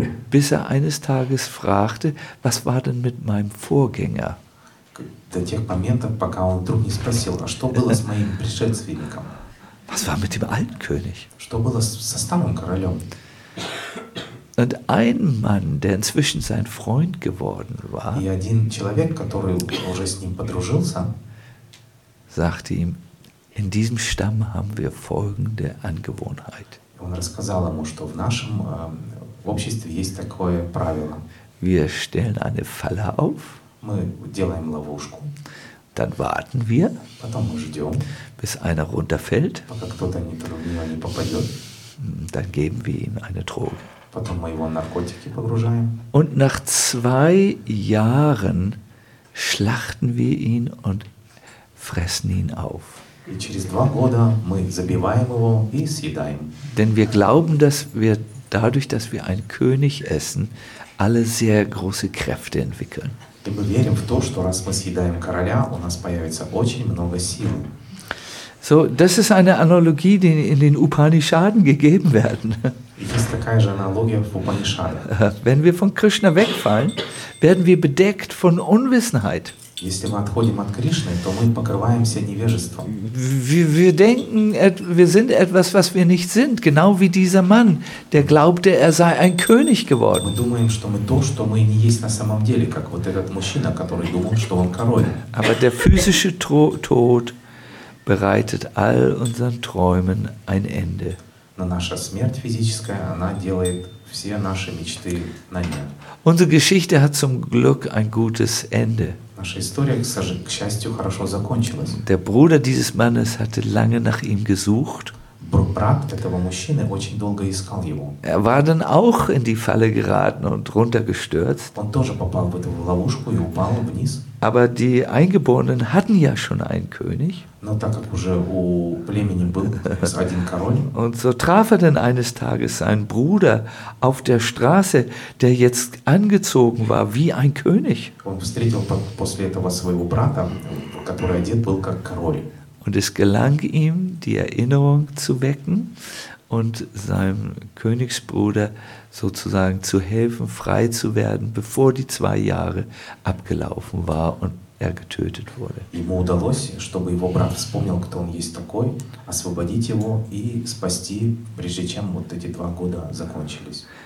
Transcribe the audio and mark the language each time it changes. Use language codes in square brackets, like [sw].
[de] Bis er eines Tages fragte, was war denn mit meinem Vorgänger? [ru] До тех моментов, пока он вдруг не спросил, а что было с моим предшественником? [de] Was war mit dem alten König? [ru] Что было со старым королем? [de] Und ein Mann, der inzwischen sein Freund geworden war, [ru] и один человек, который уже с ним подружился, [de] sagte ihm, in diesem Stamm haben wir folgende Angewohnheit. [ru] Он рассказал ему, что в нашем обществе есть такое правило. [de] Wir stellen eine Falle auf. [ru] Мы делаем ловушку. [de] Dann warten wir. [ru] Потом мы ждем. [de] Bis einer runterfällt. [ru] Пока кто-то не попадет. [de] Dann geben wir ihm eine Droge. [ru] Потом мы его наркотики погружаем. [de] Und nach 2 Jahren schlachten wir ihn und fressen ihn auf. [ru] И через 2 года мы забиваем его и съедаем. [de] Denn wir glauben, dass wir dadurch, dass wir einen König essen, alle sehr große Kräfte entwickeln. [ru] И мы верим в то, что раз мы съедаем короля, у нас появится очень много сил. [de] So, das ist eine Analogie, die in den Upanishaden gegeben werden. Ist [ru] такая же аналогия в Упанишадах. [de] Wenn wir von Krishna wegfallen, werden wir bedeckt von Unwissenheit. [ru] Если мы отходим от Кришны, то мы покрываемся невежеством. [de] Wir denken, wir sind etwas, was wir nicht sind, genau wie dieser Mann, der glaubte, er sei ein König geworden. [ru] Мы думаем, что мы то, что мы не есть на самом деле, как вот этот мужчина, который думал, что он король. [de] Aber der physische Tod bereitet all unseren Träumen ein Ende. [ru] Но наша смерть физическая, она делает все наши мечты на нет. [de] Unsere Geschichte hat zum Glück ein gutes Ende. [ru] Наша история, к счастью, хорошо закончилась. [de] Der Bruder dieses Mannes hatte lange nach ihm gesucht. [ru] Брат этого мужчины очень долго искал его. [de] Er war dann auch in die Falle geraten und runtergestürzt. [ru] Он тоже попал в эту ловушку и упал вниз. [de] Aber die Eingeborenen hatten ja schon einen König. [ru] Но так как уже у племени был один король. [de] Und so traf er denn eines Tages seinen Bruder auf der Straße, der jetzt angezogen war wie ein König. [ru] Он встретил после этого своего брата, который одет был как король. [de] Und es gelang ihm, die Erinnerung zu wecken und seinem Königsbruder sozusagen zu helfen, frei zu werden, bevor die 2 Jahre abgelaufen war und er getötet wurde. [ru] Ему удалось, чтобы его брат вспомнил, кто он есть такой, освободить его и спасти, прежде чем вот эти два года закончились.